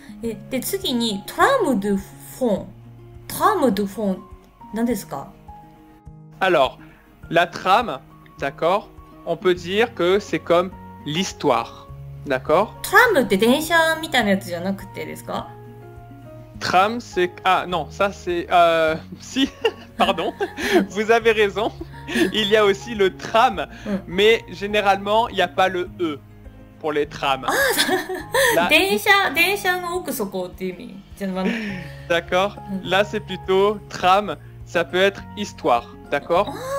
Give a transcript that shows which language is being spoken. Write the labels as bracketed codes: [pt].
[ja] で、次に、トラムドゥフォン。トラムドゥフォン、何ですか？ [fr] Alors, la trame, d'accord? On peut dire que c'est comme l'histoire, d'accord? [ja] トラムって電車みたいなやつじゃなくてですか？ [fr] Tram, c'est... Ah non, ça c'est... Si, pardon, vous avez raison. Il y a aussi le tram, mais généralement, il n'y a pas le E pour les trams. Ah, ça... La... D'accord, là c'est plutôt tram, ça peut être histoire, d'accord?